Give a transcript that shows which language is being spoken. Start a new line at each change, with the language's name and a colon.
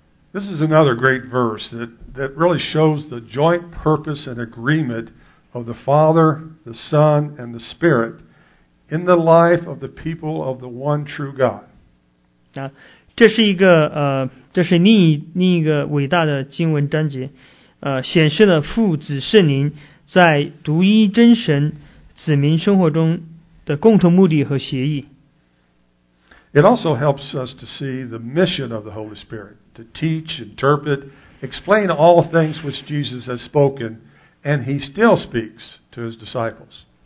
English: This is another great verse that really shows the joint purpose and agreement of the Father, the Son, and the Spirit in the life of the people of the one true God.
Chinese: 这是另一个伟大的经文章节，显示了父子圣灵在独一真神子民生活中的共同目的和协议。
English: It also helps us to see the mission of the Holy Spirit, to teach, interpret, explain all things which Jesus has spoken, and He still speaks to His disciples.